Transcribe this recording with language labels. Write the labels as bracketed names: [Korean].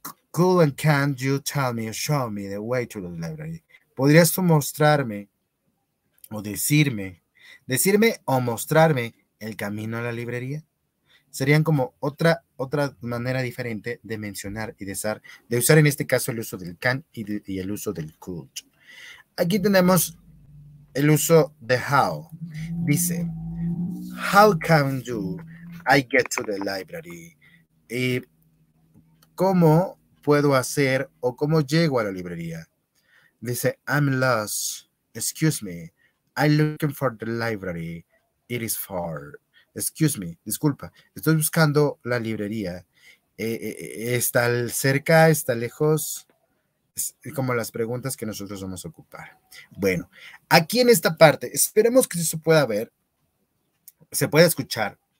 [English] Could and can you tell me or show me the way to the library? [Spanish] ¿Podrías tú mostrarme o decirme o mostrarme el camino a la librería? Serían como otra manera diferente de mencionar y de usar en este caso el uso del can y el uso del could. Aquí tenemos el uso de how. [English] Dice, how can you I get to the library? [Spanish] Y ¿cómo puedo hacer o cómo llego a la librería? [English] Dice, I'm lost. Excuse me. I'm looking for the library. It is far. Excuse me. Disculpa. [Spanish] Estoy buscando la librería. ¿Está cerca? ¿Está lejos? Es como las preguntas que nosotros vamos a ocupar. Bueno, aquí en esta parte, esperemos que se pueda ver, se pueda escuchar.